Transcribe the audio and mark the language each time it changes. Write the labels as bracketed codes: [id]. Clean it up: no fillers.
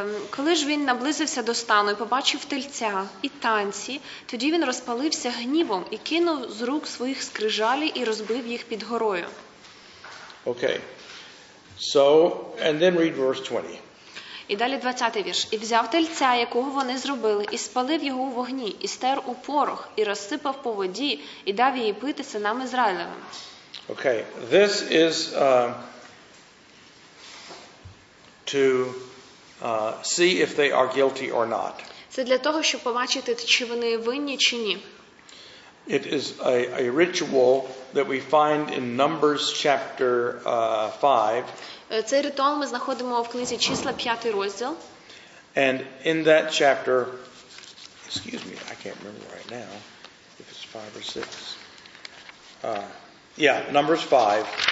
[uk] Коли ж він наблизився до стану і побачив тельця і танці, тоді він розпалився гнівом і кинув з рук своїх скрижалі і розбив їх під горою. [en] Okay. So, and then read verse 20. [uk] І далі 20-й вірш. І взяв тельця, якого вони зробили, і спалив його у вогні, і стер у порох, і розсипав по воді, і дав її пити синам Ізраїлевим. [en] Okay. This is to see if they are guilty or not. [uk] Це для того, щоб побачити, чи вони винні чи ні. [en] It is a ritual that we find in Numbers chapter 5. [uk] Цей ритуал ми знаходимо в книзі Числа, 5 розділ. [en] And in that chapter, excuse me, I can't remember right now if it's 5 or 6. Numbers 5.